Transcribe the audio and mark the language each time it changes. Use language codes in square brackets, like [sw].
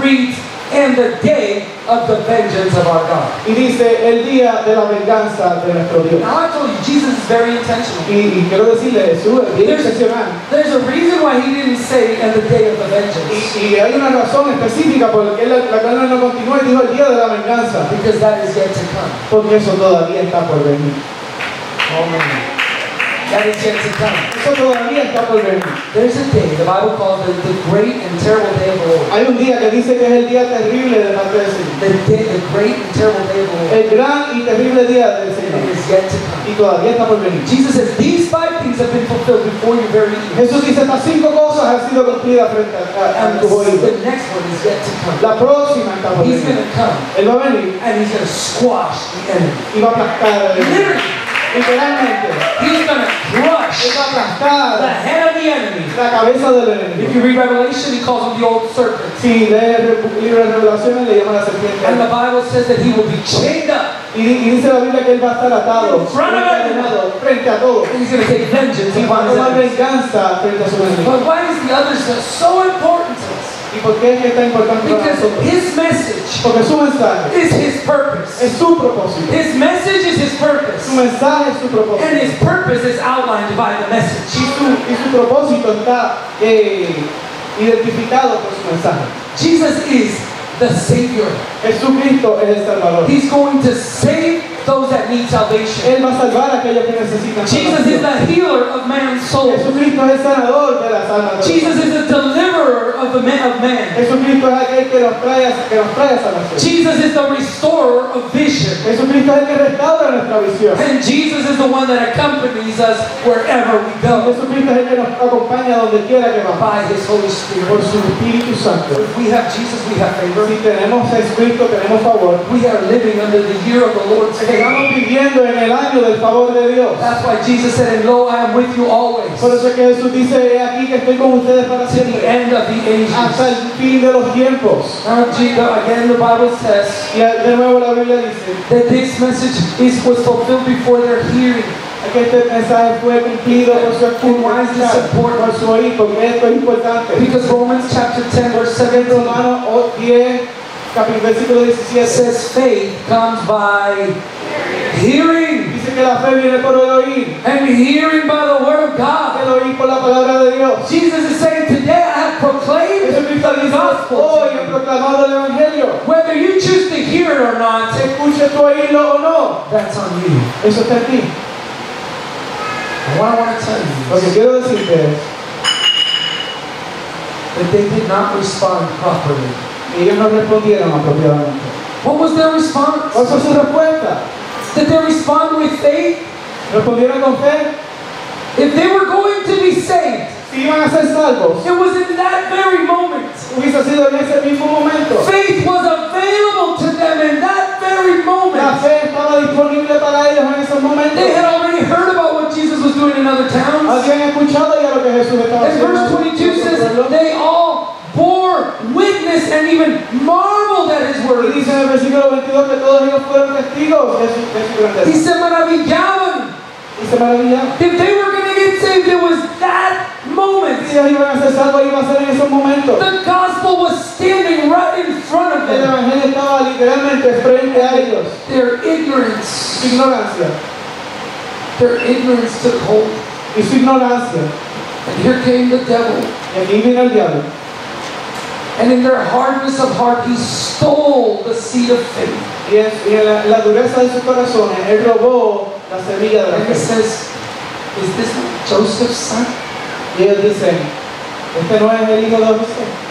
[en] reads, and the day of the vengeance of our God. [es] Y dice, el día de la venganza de nuestro Dios. [en] Now I told you, Jesus is very intentional. [es] Y quiero decirle, Jesús, [en] there's a reason why he didn't say, and the day of the vengeance. [es] Y hay una razón específica por la que él no continuó y dijo, el día de la venganza. [en] Because that is yet to come. [es] Porque eso todavía está por venir. [en] Amen. That is yet to come. [es] Eso todavía está por venir. [en] There's a day the Bible calls the great and terrible day of the Lord. [es] Hay un día que dice que es el día terrible de la presencia. [en] The great and terrible day of the Lord. [es] El gran y terrible día del Señor. [en] Is yet to come. [es] Y todavía está por venir. [en] Jesus says these five things have been fulfilled before your very eyes. [es] Jesús dice estas cinco cosas han sido cumplidas frente a tu oído. [en] The next one is yet to come. [es] La próxima está por [en] he's [es] venir. [en] He's going to come. [es] Él va a venir. [en] And he's going to squash the enemy. [es] Y va a aplastar al enemigo. [en] He's going to crush the head of the enemy. [es] La cabeza del enemigo. [en] If you read Revelation, he calls him the old serpent. And the Bible says that he will be chained up. [es] Y dice la Biblia que él va a estar atado, [en] in front of him. [es] Frente a todos. [en] And he's going to take vengeance. [es] Y va a tomar venganza frente a su enemigo. [en] But why is the other stuff so important to us? [es] ¿Y por qué es que está importante [en] because [es] para nosotros? [en] His message, [es] porque su mensaje, [en] is his purpose. [es] Es su propósito. [en] His message is his purpose. [es] Su mensaje es su propósito. [en] And his purpose is outlined by the message. [es] Y su propósito está identificado por su mensaje. [en] Jesus is the Savior. [es] Jesucristo es el Salvador. [en] He's going to save those that need salvation. [es] Él va a salvar a aquellos que necesitan [en] Jesus [es] salvación. [en] Is the healer of man's soul. [es] Jesucristo es el sanador de las almas. [en] Jesus is the deliverer of the man of man. [es] Jesucristo es aquel que nos trae salvación. [en] Jesus is the restorer of vision. [es] Jesucristo es el que restaura nuestra visión. [en] And Jesus is the one that accompanies us wherever we go. [es] Jesucristo es el que nos acompaña donde quiera que vamos. [en] By his Holy Spirit. [es] Por su Espíritu Santo. [en] If we have Jesus, we have favor. [es] Si tenemos Jesucristo, tenemos favor. [en] We are living under the year of the Lord's. [es] Estamos viviendo en el año del favor de Dios. [en] That's why Jesus said, "And lo, I am with you always." [es] Por eso que Jesús dice, he aquí que estoy con ustedes para siempre. [en] The end of the ages. [es] Hasta el fin de los tiempos. [en] Again, the Bible says. [es] Y de nuevo la Biblia dice. [en] That this message is was fulfilled before their hearing. [es] Que este mensaje fue cumplido por su escucha, [en] support [es] por su oído, porque esto es importante. [en] Because Romans chapter 10 verse 7 [es] Romanos 10 capítulo 17 [en] says faith comes by hearing. [es] Dice que la fe viene por el oír. [en] And hearing by the word of God. [es] El oír por la palabra de Dios. [en] Jesus is saying today I have proclaimed [es] Jesucristo [en] the gospel. [es] Hoy he proclamado el evangelio. [en] Whether you choose to hear it or not, [es] si escuches tu oído o no, [en] that's on you. [es] Eso está en ti. [en] What I want to tell you. [es] Okay, quiero decirte [en] that they did not respond properly. [es] Ellos no respondieron apropiadamente. [en] What was their response? [es] ¿Cuál fue su respuesta? [en] Did they respond with faith? [es] ¿Respondieron con fe? [en] If they were going to be saved, [es] si iban a ser salvos, [en] it was in that very moment. [es] Hubiese sido en ese mismo momento. [en] Faith was available to them in that very moment. [es] La fe estaba disponible para ellos en ese momento. [en] They had already heard about what Jesus was doing in other towns. [es] Habían escuchado ya lo que Jesús estaba haciendo. [en] Verse 22 says, they all bore witness and even marveled at his word. [es] Dice en el versículo 22 que todos ellos fueron testigos de su grandeza. Y se maravillaban. Y se maravillaban. [en] If they were going to get saved, it was that moment. [es] Si ellos iban a ser salvos, iba a ser en esos momentos. [en] The gospel was standing right in front of them. [es] El evangelio estaba literalmente frente a ellos. [en] Their ignorance. [es] Ignorancia. [en] Their ignorance took hold. [es] Y su ignorancia. [en] And here came the devil. [es] Y aquí viene el diablo. [en] And in their hardness of heart, he stole the seed of faith. Yes, [es] y en la dureza de su corazón, él robó la semilla de la fe. [en] And he says, "Is this not Joseph's son?" [es] Y él dice, "Este no es el hijo de José."